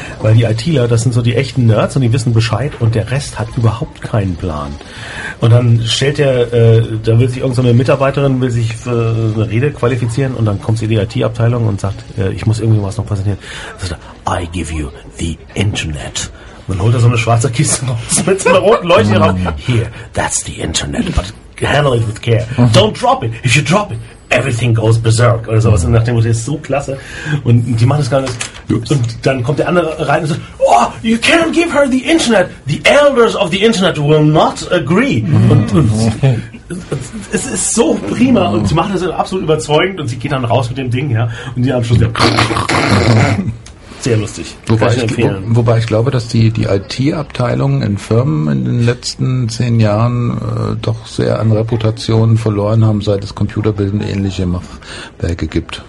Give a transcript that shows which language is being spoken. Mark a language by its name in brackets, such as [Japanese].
[German] Weil die ITler, das sind so die echten Nerds und die wissen Bescheid und der Rest hat überhaupt keinen Plan. Und dann stellt der, da will sich irgendeine Mitarbeiterin, will sich für eine Rede qualifizieren und dann kommt sie in die IT-Abteilung und sagt, ich muss irgendwie was noch präsentieren. Dann sagt er, [English] I give you the Internet. [German] Und dann holt er so eine schwarze Kiste raus mit so einer roten Leuchte drauf. [English] Here, that's the Internet, but handle it with care. Don't drop it. If you drop it, everything goes berserk [German] oder sowas. Und nachdem, das ist so klasse. Und die machen das gar nicht. Und dann kommt der andere rein und sagt, [English] oh, you can't give her the Internet. The elders of the Internet will not agree. [German] Und es ist so prima. Und sie machen das absolut überzeugend. Und sie geht dann raus mit dem Ding. Ja. Und die am Schluss wieder. Sehr lustig. Wobei ich glaube, dass die IT-Abteilung in Firmen in den letzten 10 Jahren doch sehr an Reputation verloren haben, seit es Computerbilden ähnliche Machwerke gibt.